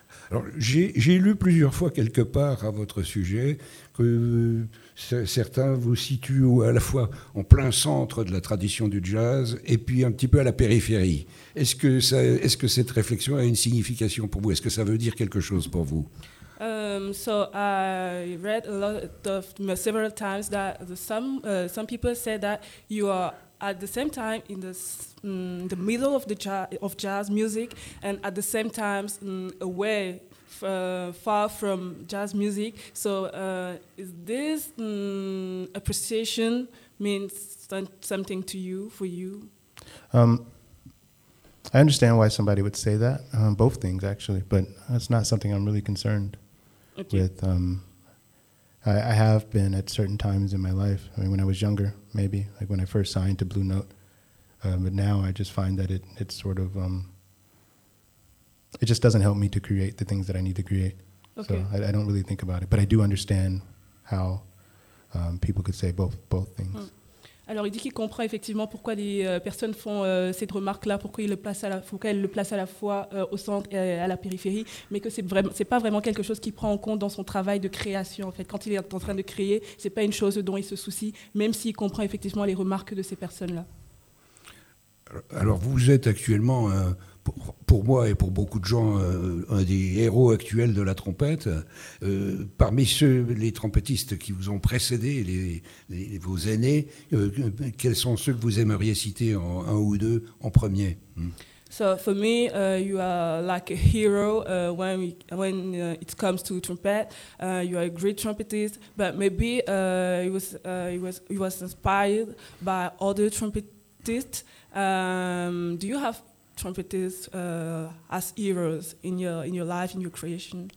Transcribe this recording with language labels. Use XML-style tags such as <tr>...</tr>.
<fr>Alors, j'ai lu plusieurs fois quelque part à votre sujet que certains vous situent à la fois en plein centre de la tradition du jazz et puis un petit peu à la périphérie. Est-ce que cette réflexion a une signification pour vous? Est-ce que ça veut dire quelque chose pour vous?</fr> <en>So I read a lot of several times that some people say that you are at the same time in the middle of the jazz music and at the same time away far from jazz music. So is this appreciation means something to you, for you? I understand why somebody would say that, both things actually, but that's not something I'm really concerned with. I have been at certain times in my life. I mean, when I was younger, maybe, like when I first signed to Blue Note. But now I just find that it's sort of, it just doesn't help me to create the things that I need to create. Okay. So I don't really think about it. But I do understand how people could say both things. Mm.</en> <fr>Alors, il dit qu'il comprend effectivement pourquoi les personnes font cette remarque-là, pourquoi il le place à la fois au centre et à la périphérie, mais que c'est pas vraiment quelque chose qu'il prend en compte dans son travail de création. En fait, quand il est en train de créer, c'est pas une chose dont il se soucie, même s'il comprend effectivement les remarques de ces personnes-là. Alors, vous êtes actuellement, pour moi et pour beaucoup de gens, un des héros actuels de la trompette. Parmi ceux, les trompettistes qui vous ont précédé, vos aînés, quels sont ceux que vous aimeriez citer en un ou deux en premier?</fr> <en>So for me, you are like a hero when it comes to trumpet. You are a great trumpetist, but maybe you was inspired by other trumpetists. Do you have trumpetists as heroes in your life, in your creation?</en>